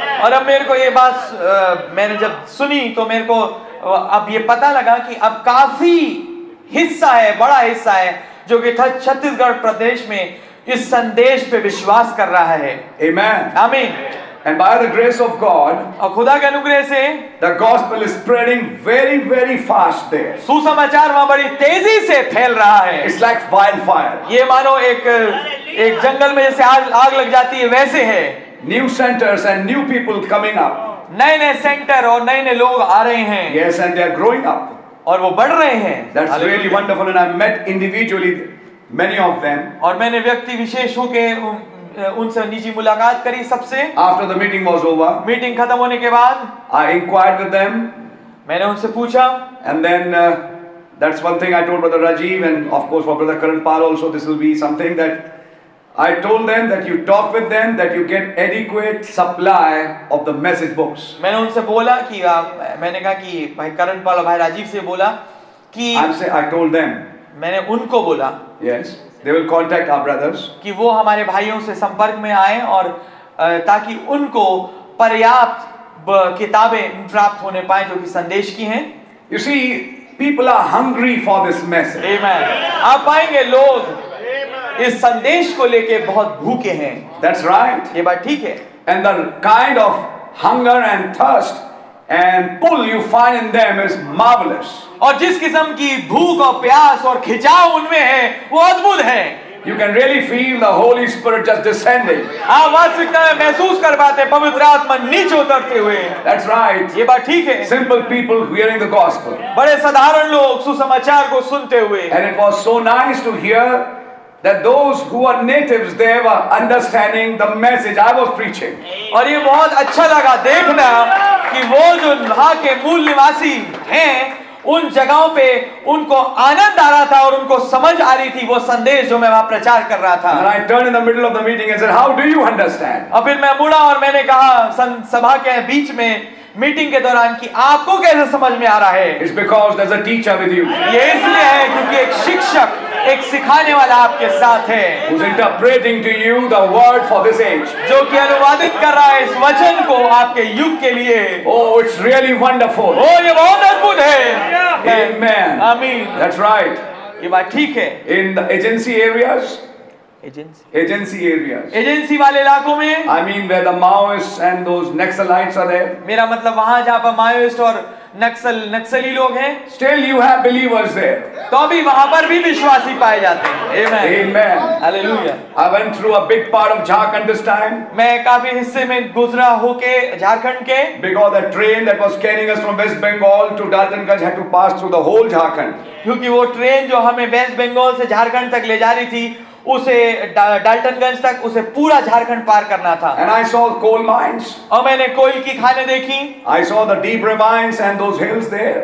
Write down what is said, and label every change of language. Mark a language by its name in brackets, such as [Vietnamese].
[Hindi] और अब मेरे को ये बात मैंने जब सुनी तो मेरे को अब ये पता लगा कि अब काफी हिस्सा है, बड़ा हिस्सा है जो कि छत्तीसगढ़ प्रदेश में इस संदेश पे विश्वास कर रहा है. [English] Amen. [Hindi] आमीन. [English] And by the grace of God, [Hindi] और खुदा के अनुग्रह से, [English] the gospel is spreading very, very fast there. [Hindi] सुसमाचार वहाँ बड़ी तेजी से फैल रहा है. [English] It's like wildfire. [Hindi] ये मानो एक जंगल में जैसे आग लग जाती है वैसे है. [English] New centers and new people coming up. [Hindi] नए नए सेंटर और नए नए लोग आ रहे हैं. [English] Yes, and they are growing up. [Hindi] और वो बढ़ रहे हैं. [English] That's really wonderful, and I met individually many of them. [Hindi] और मैंने व्यक्ति विशेष होके उनसे निजी मुलाकात करी सबसे. [English] After the meeting was over, [Hindi] meeting खत्म होने के बाद, [English] I inquired with them. [Hindi] मैंने उनसे पूछा. [English] And then that's one thing I told Brother Rajiv and of course for Brother Karan Pal also this will be something that I told them that you talk with them that you get adequate supply of the message books. [Hindi] मैंने उनसे बोला कि मैंने कहा कि भाई करण पाल और भाई राजीव से बोला कि [English] I told them. [Hindi] मैंने उनको बोला. [English] Yes. They will contact our brothers. [Hindi] कि वो हमारे भाइयों से संपर्क में आए और ताकि उनको पर्याप्त किताबें प्राप्त होने पाए जो कि संदेश की हैं. [English] You see, people are hungry for this message. Amen. [Hindi] आप पाएंगे लोग इस संदेश को लेके बहुत भूखे हैं. [English] That's right. [Hindi] ये बात ठीक है. [English] And the kind of hunger and thirst and pull you find in them is marvelous. [Hindi] और जिस किस्म की भूख और प्यास और खिंचाव उनमें है वो अद्भुत है. [English] You can really feel the Holy Spirit just descending. [Hindi] आप वास्तविकता में महसूस कर पाते हैं पवित्र आत्मा नीचे उतरते हुए. [English] That's right. [Hindi] ये बात ठीक है. [English] Simple people hearing the gospel. [Hindi] बड़े साधारण लोग सुसमाचार को सुनते हुए. [English] And it was so nice to hear that those who are natives there were understanding the message I was preaching. [Hindi] और ये बहुत अच्छा लगा देखना कि वो जो वहाँ के मूल निवासी हैं उन जगहों पे उनको आनंद आ रहा था और उनको समझ आ रही थी वो संदेश जो मैं वहाँ प्रचार कर रहा था. [English] And I turned in the middle of the meeting and said, "How do you understand?" [Hindi] और फिर मैं मुड़ा और मैंने कहा सभा के बीच में मीटिंग के दौरान कि आपको कैसे समझ में आ रहा है. [English] It's because there's a teacher with you. [Hindi] ये इसलिए है क्योंकि एक शिक्षक एक सिखाने वाला आपके साथ है. [English] Who's interpreting to you the word for this age. [Hindi] जो कि अनुवादित कर रहा है इस वचन को आपके युग के लिए. [English] Oh, it's really wonderful. [Hindi] ओ, ये बहुत अद्भुत है. [English] Amen. [Hindi] आमीन. [English] That's right. [Hindi] ये बात ठीक है. [English] In the agency areas. [Hindi] Agency वाले इलाकों में मेरा मतलब वहां जहां पर माओइस्ट और नक्सली लोग हैं [English] still you have believers there [Hindi] तो भी वहां पर भी विश्वासी पाए जाते हैं amen hallelujah [English] I went through a big part of Jharkhand this time [Hindi] मैं काफी हिस्से में गुजरा होके झारखंड के [English] because the train that was carrying us from West Bengal to Daltonganj had to pass through the whole Jharkhand [Hindi] क्योंकि वो ट्रेन जो हमें वेस्ट बंगाल से झारखंड तक ले जा रही थी उसे डाल्टनगंज तक उसे पूरा झारखंड पार करना था [English] and I saw coal mines. [Hindi] और मैंने कोयल की खाने देखी [English] I saw the deep ravines and those hills there.